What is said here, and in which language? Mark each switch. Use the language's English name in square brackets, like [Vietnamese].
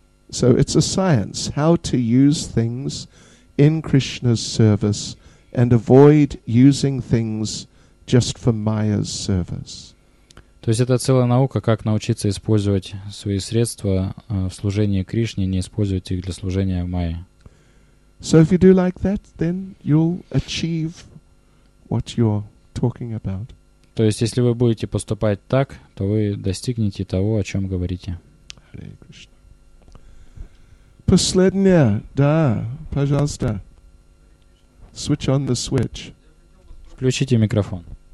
[English] So it's a science how to use things in Krishna's service. And avoid using things just for Maya's service. [Russian] То есть это целая наука, как научиться использовать свои средства в служении Кришне, не использовать их для служения Майе. [English] So if you do like that, then you'll achieve what you're talking about. [Russian] То есть если вы будете поступать так, то вы достигнете того, о чем говорите. [English] Hare Krishna. [Russian] Последняя, да, пожалуйста. [English] Switch on the switch. [Russian] Включите микрофон.